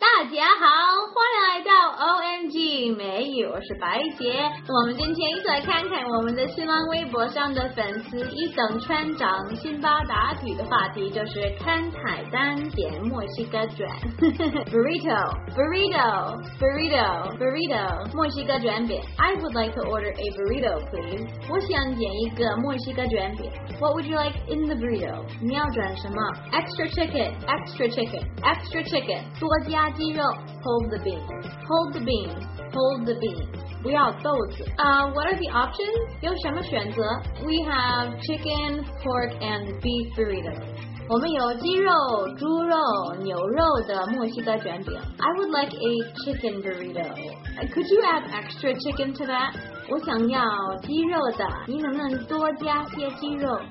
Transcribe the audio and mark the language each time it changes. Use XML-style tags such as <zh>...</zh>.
<zh>家好，欢迎来到 ONG 美语，我是白杰。我们今天一起来看看我们的新浪微博上的粉丝一等船长辛巴达比的话题，就是看菜单点墨西哥卷burrito burrito burrito burrito 墨西哥卷饼。</zh> <en>I would like to order a burrito please.</en> <zh>我想点一个墨西哥卷饼。</zh> <en>What would you like in the burrito?</en> <zh>你要卷什么？</zh> <en>Extra chicken extra chicken extra chicken</en> <zh>多加鸡肉。</zh> <en>Hold the bean. Hold the bean. Hold the bean.</en> <zh>不要豆子。</zh> <en>What are the options?</en> <zh>有什么选择？</zh> <en>We have chicken, pork, and beef burritos.</en> <zh>我们有鸡肉、猪肉、牛肉的墨西哥卷饼。</zh> <en>I would like a chicken burrito. Could you add extra chicken to that?</en> <zh>我想要鸡肉的，你能不能多加些鸡肉？</zh>